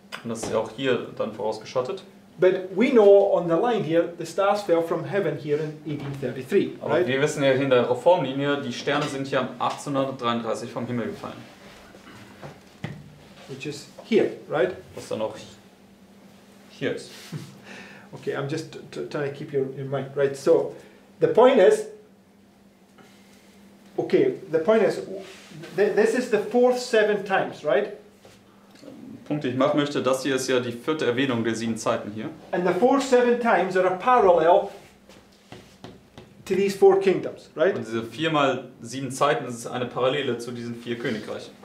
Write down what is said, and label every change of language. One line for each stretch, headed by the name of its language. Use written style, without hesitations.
German: Und das ist ja auch hier dann vorausgeschattet.
English: But we know on the line here, the stars fell from heaven here in 1833,
German: aber
English: right?
German: Wir wissen ja in der Reformlinie, die Sterne sind hier 1833 vom Himmel gefallen.
English: Which is here, right?
German: Was dann auch hier ist.
English: Okay, I'm just trying to keep you in mind, right? So, the point is, okay, the point is, this is the fourth 7 times, right?
German: Punkt, den ich machen möchte, das hier ist ja die vierte Erwähnung der 7 Zeiten hier.
English: And the 4 7 times are a parallel to these 4 kingdoms, right?
German: Und diese 4 mal 7 Zeiten ist eine Parallele zu diesen 4 Königreichen.